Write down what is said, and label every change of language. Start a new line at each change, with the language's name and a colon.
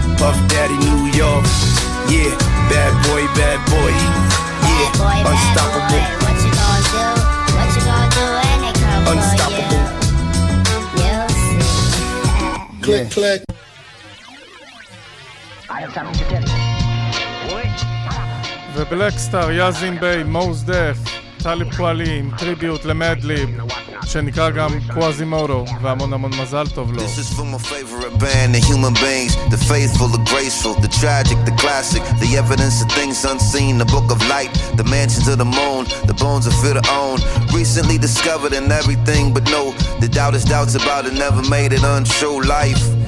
English: Puff Daddy New York, yeah. Bad boy, bad boy, yeah. Bad boy, unstoppable. Bad boy. What you gonna do? What you gonna do when they come unstoppable. For you? Click, yeah. Click. I have something to tell you.
Hebrew: ובלקסטאר, יזין ביי, מוז דף, טליפ קואלי עם טריביוט למדליב שנקרא גם קוואזימודו, והמון המון מזל טוב לו.
English: This is for my favorite band, the human beings, the faithful, the graceful, the tragic, the classic, the evidence of things unseen, the book of light, the mansions of the moon, the bones of fear to own, recently discovered in everything, but no, the doubt is doubts about it, never made it untrue, life.